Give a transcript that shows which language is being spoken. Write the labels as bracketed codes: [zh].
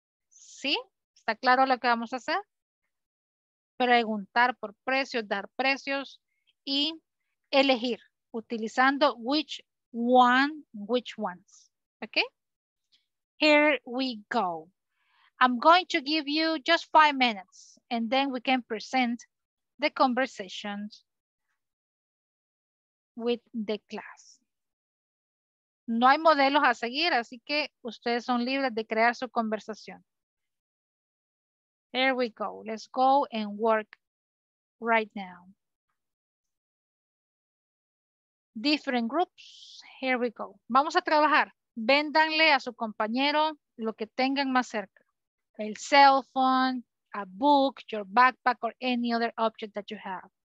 [es] ¿Sí? ¿Está claro lo que vamos a hacer? Preguntar por precios, dar precios y elegir utilizando which one, which ones. Okay? [en] Here we go. I'm going to give you just 5 minutes and then we can present the conversations with the class. [es] No hay modelos a seguir, así que ustedes son libres de crear su conversación. [en] Here we go. Let's go and work right now. Different groups. Here we go. [es] Vamos a trabajar. Véndanle a su compañero lo que tengan más cerca. [en] El cell phone, a book, your backpack, or any other object that you have.